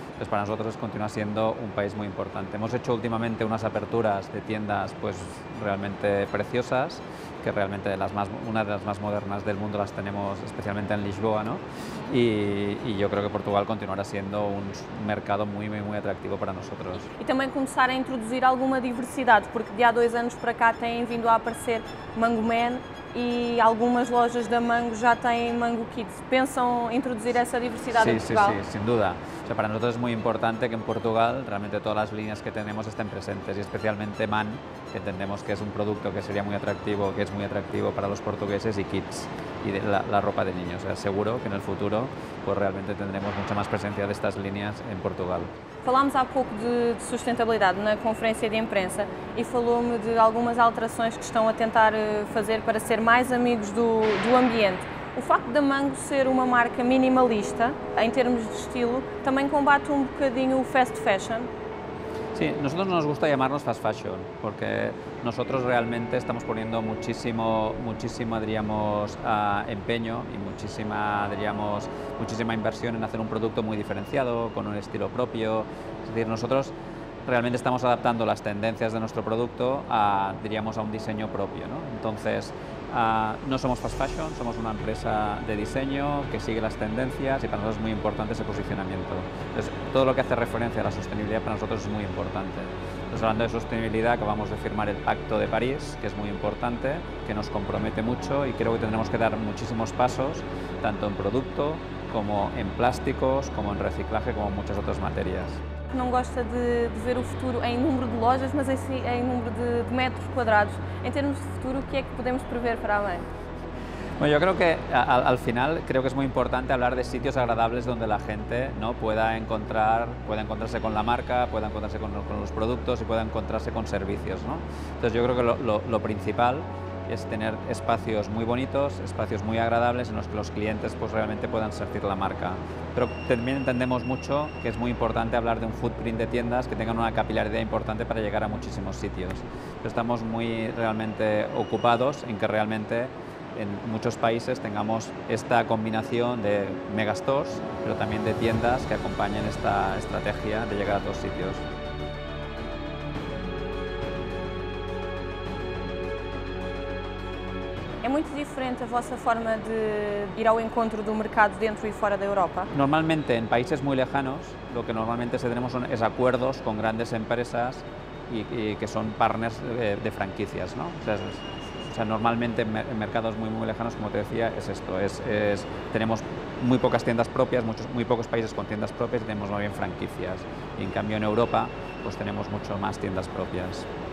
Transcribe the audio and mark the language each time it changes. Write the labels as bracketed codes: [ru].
[es] Pues para nosotros continúa siendo un país muy importante. Hemos hecho últimamente unas aperturas de tiendas pues realmente preciosas, que realmente una de las más modernas del mundo las tenemos especialmente en Lisboa, ¿no? Y yo creo que Portugal continuará siendo un mercado muy, muy, muy atractivo para nosotros. Y también comenzar a introducir alguna diversidad, [pt] porque de há dois anos para cá têm vindo a aparecer Mango Man, e algumas lojas da Mango já têm Mango Kids. Pensam introduzir essa diversidade em Portugal? Sim, sem dúvida. [es] O sea, [pt] para nós é muito importante que em Portugal realmente todas as linhas que temos estejam presentes, e especialmente Man, que entendemos que é um produto que seria muito atractivo, que é muito atractivo para os portugueses, e Kids, e a roupa [es] de niños. O sea, seguro que no futuro pues realmente tendremos [pt] muita mais presença destas linhas em Portugal. Falámos há pouco de sustentabilidade na conferência de imprensa e falou-me de algumas alterações que estão a tentar fazer para ser mais amigos do ambiente. O facto da Mango ser uma marca minimalista, em termos de estilo, também combate um bocadinho o fast fashion? Sim, a nós não [es] nos gusta chamarnos [pt] fast fashion, porque nós realmente [es] estamos poniendo muchísimo, diríamos, empeño [pt] e [es] muchísima inversión [pt] em fazer um produto muito diferenciado, com um estilo próprio. [es] Es decir, nosotros realmente estamos adaptando las tendencias de nuestro producto a, diríamos, a un diseño propio, ¿no? Entonces, no somos fast fashion, somos una empresa de diseño que sigue las tendencias y para nosotros es muy importante ese posicionamiento. Entonces, todo lo que hace referencia a la sostenibilidad para nosotros es muy importante. Entonces, hablando de sostenibilidad, acabamos de firmar el Pacto de París, que es muy importante, que nos compromete mucho y creo que tendremos que dar muchísimos pasos, tanto en producto como en plásticos, como en reciclaje, como en muchas otras materias. [pt] Não gosta de ver o futuro em número de lojas, mas em número de metros quadrados. Em termos de futuro, o que é que podemos prever para além? [es] Bueno, yo creo que al final creo que es muy importante hablar de sitios agradables donde la gente, ¿no?, pueda encontrarse con la marca, pueda encontrarse con los productos y pueda encontrarse con servicios, ¿no? Entonces yo creo que lo principal es tener espacios muy bonitos, espacios muy agradables en los que los clientes pues realmente puedan sentir la marca. Pero también entendemos mucho que es muy importante hablar de un footprint de tiendas que tengan una capilaridad importante para llegar a muchísimos sitios. Pero estamos muy realmente ocupados en que realmente en muchos países tengamos esta combinación de megastores, pero también de tiendas que acompañen esta estrategia de llegar a todos sitios. [pt] É muito diferente a vossa forma de ir ao encontro do mercado dentro e fora da Europa? Normalmente, em países muito [es] lejanos, [pt] o que normalmente se temos são acordos com grandes empresas e que são partners [es] de franquicias, [pt] não? [es] O sea, normalmente en mercados muy, muy lejanos, como te decía, es esto. Tenemos muy pocas tiendas propias, muy pocos países con tiendas propias y tenemos más bien franquicias. Y en cambio en Europa pues tenemos mucho más tiendas propias.